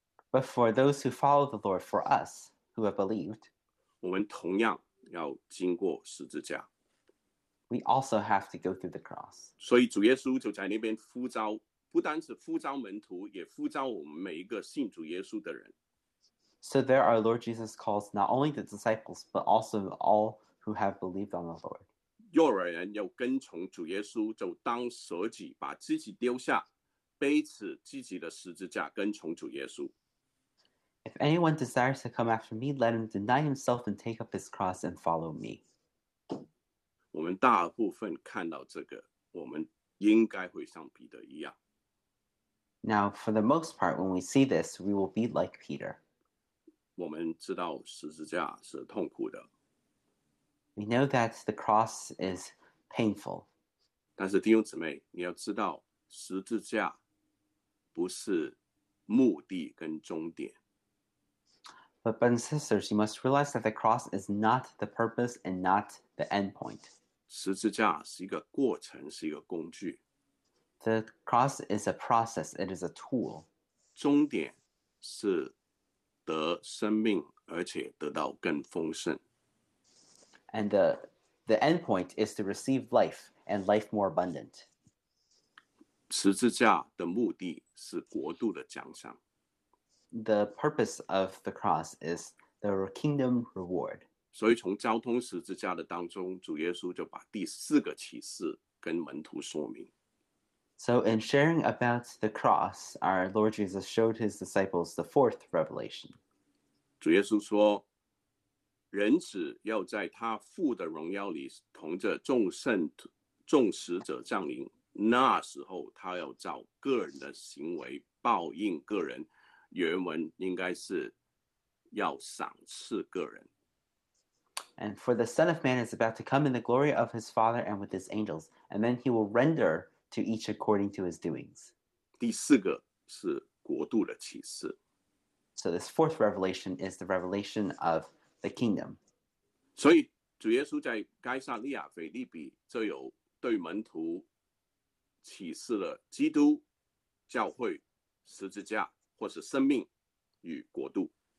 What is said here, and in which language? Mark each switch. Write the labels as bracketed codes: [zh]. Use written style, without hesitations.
[en] But for those who follow the Lord, for us who have believed, [zh] 我们同样要经过十字架。 [en] We also have to go through the cross. [zh] 所以主耶稣就在那边呼召，不单是呼召门徒，也呼召我们每一个信主耶稣的人。 [en] So there our Lord Jesus calls not only the disciples, but also all who have believed on the Lord. [zh] 若有人要跟从主耶稣，就当舍己，把自己丢下，背起自己的十字架，跟从主耶稣。 [en] If anyone desires to come after me, let him deny himself and take up his cross and follow me. [zh] 我们大部分看到这个，我们应该会像彼得一样。 [en] Now, for the most part, when we see this, we will be like Peter. [zh] 我们知道十字架是痛苦的。 [en] We know that the cross is painful. [zh] 但是弟兄姊妹，你要知道，十字架不是目的跟终点。 [en] But brothers and sisters, you must realize that the cross is not the purpose and not the end point. [zh] 十字架是一个过程，是一个工具。 [en] The cross is a process, it is a tool. [zh] 终点是得生命，而且得到更丰盛。 [en] And the end point is to receive life and life more abundant. [zh] 十字架的目的是国度的奖赏。 [en] The purpose of the cross is the kingdom reward. [zh] 所以从交通十字架的当中，主耶稣就把第四个启示跟门徒说明。 [en] So in sharing about the cross, our Lord Jesus showed his disciples the fourth revelation. [zh] 主耶稣说，人子要在他父的荣耀里同着众圣众使者降临，那时候他要照个人的行为报应个人。原文应该是要赏赐个人。 [en] And for the Son of Man is about to come in the glory of his Father and with his angels, and then he will render to each according to his doings. [zh] 第四个是国度的启示。 [en] So this fourth revelation is the revelation of the kingdom. [zh] 所以主耶稣在该撒利亚腓立比就有对门徒启示了基督、教会、十字架或是生命与国度。